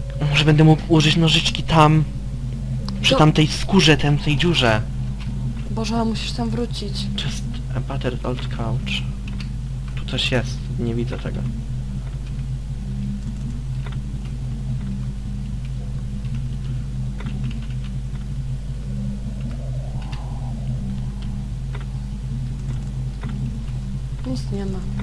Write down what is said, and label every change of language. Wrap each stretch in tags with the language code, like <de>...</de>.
<pl>Może będę mógł użyć nożyczki tam... Przy to... tamtej skórze, tam w tej dziurze. Boże, musisz tam wrócić.</pl> <en>Just a battered old couch.</en> <pl>Tu coś jest, nie widzę tego. Nic nie ma.</pl>